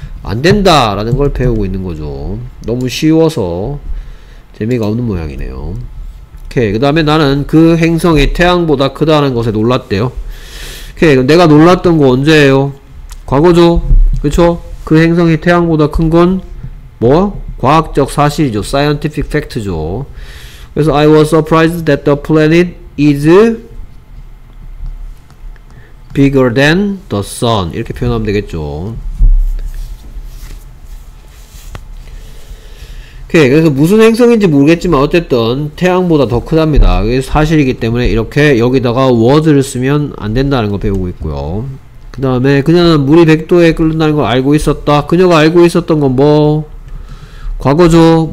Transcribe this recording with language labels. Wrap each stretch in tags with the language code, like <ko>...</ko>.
<ko>안 된다 라는 걸 배우고 있는 거죠. 너무 쉬워서 재미가 없는 모양이네요. 오케이. 그 다음에 나는 그 행성이 태양보다 크다는 것에 놀랐대요. 오케이. 그럼 내가 놀랐던 거 언제예요? 과거죠. 그쵸? 그 행성이 태양보다 큰 건 뭐? 과학적 사실이죠.</ko> <en>scientific fact</en> <ko>죠. 그래서</ko> <en>I was surprised that the planet is bigger than the sun.</en> <ko>이렇게 표현하면 되겠죠. 오케이. 그래서 무슨 행성인지 모르겠지만 어쨌든 태양보다 더 크답니다. 이게 사실이기 때문에 이렇게 여기다가 was를 쓰면 안 된다는 거 배우고 있고요. 그 다음에 그녀는 물이 100도에 끓는다는 걸 알고 있었다. 그녀가 알고 있었던 건 뭐? 과거죠.</ko>